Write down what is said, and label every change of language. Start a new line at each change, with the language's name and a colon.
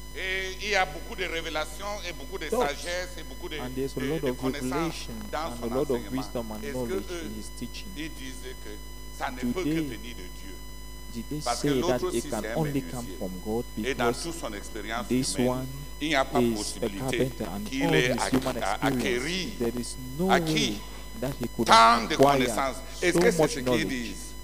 French: et il y a beaucoup de révélations et beaucoup de sagesse et beaucoup de connaissances dans son enseignement.
English: And there's a lot of revelation and a lot of wisdom and knowledge in his teaching.
French: Ils disent que ça ne peut que venir de Dieu.
English: Did they say that it can only come from God? Because this one is a carpenter and all his human experience, there is no way that he could acquire so much knowledge.